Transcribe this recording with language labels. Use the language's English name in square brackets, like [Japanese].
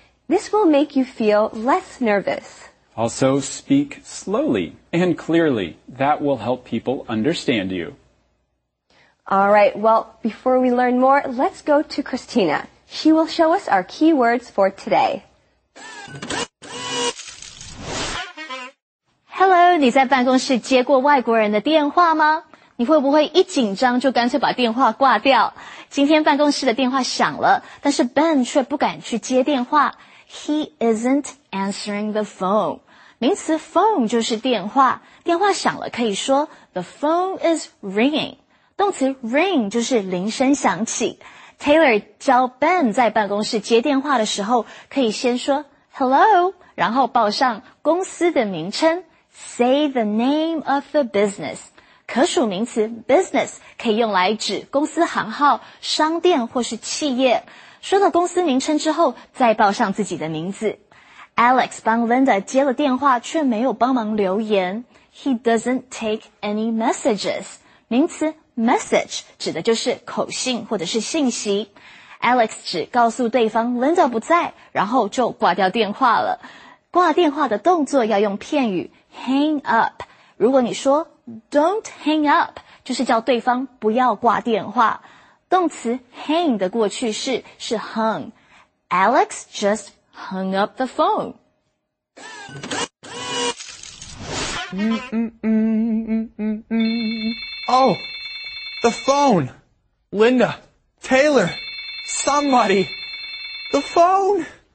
[English] This will make you feel less nervous. Also, speak slowly and clearly. That will help people understand you. All right, well, before we learn more, let's go to Christina. She will show us our keywords for today. [Chinese] Hello, 你在办公室接过外国人的电话吗？你会不会一紧张就干脆把电话挂掉？今天办公室的电话响了，但是 Ben 却不敢去接电话。 [English] He isn't answering the phone. [Chinese] 名词 phone 就是电话，电话响了可以说 [English] the phone is ringing. [Chinese] 动词 ring 就是铃声响起。Taylor 教 Ben 在办公室接电话的时候，可以先说 hello， 然后报上公司的名称 ， [English] say the name of the business。 [Chinese] 可数名词 business 可以用来指公司行号、商店或是企业。说到公司名称之后，再报上自己的名字。Alex 帮 Linda 接了电话，却没有帮忙留言。 [English] He doesn't take any messages. [Chinese] 名词 message 指的就是口信或者是信息。 Alex 只告诉对方 Linda 不在，然后就挂掉电话了。挂电话的动作要用片语 [English] hang up。 [Chinese] 如果你说 [English] don't hang up， [Chinese] 就是叫对方不要挂电话。动词 hang 的过去式是 hung. [English] Alex just hung up the phone. Oh, the phone! Linda, Taylor, somebody! The phone!